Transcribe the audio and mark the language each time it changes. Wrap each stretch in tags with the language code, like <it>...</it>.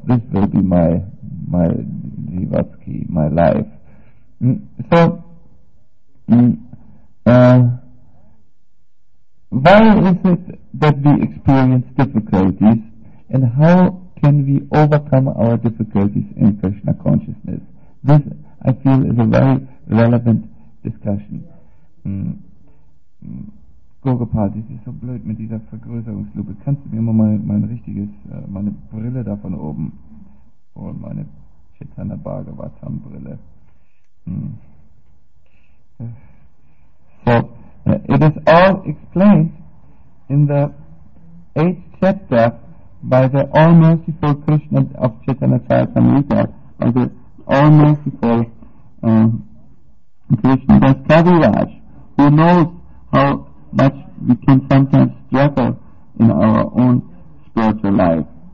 <en>This will be my jivatski, my life. Why is it that we experience difficulties, and how can we overcome our difficulties in Krishna consciousness? This, I feel, is a very relevant discussion.</en> <de>Gogopal, das ist so blöd mit dieser Vergrößerungslupe. Kannst du mir mal meine Brille da von oben holen, meine Chaitanya Bhagavatam Brille?</de> <en>It is all explained in the 8th chapter by the all-merciful Krishna of Chaitanya Charitamrita, by the all-merciful Krishna Das Kaviraj, who knows how much we can sometimes struggle in our own spiritual life.</en>